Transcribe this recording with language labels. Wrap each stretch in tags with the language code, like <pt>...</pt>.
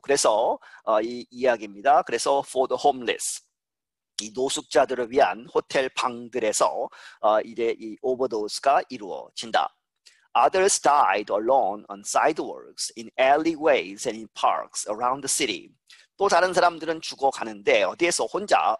<ko>그래서 이 이야기입니다. 그래서</ko> <en>for the homeless.</en> <ko>이 노숙자들을 위한 호텔 방들에서 이제 이 오버도스가 이루어진다.</ko> <en>Others died alone on sidewalks, in alleyways, and in parks around the city.</en> <ko>또 다른 사람들은 죽어가는데 어디에서 혼자?</ko>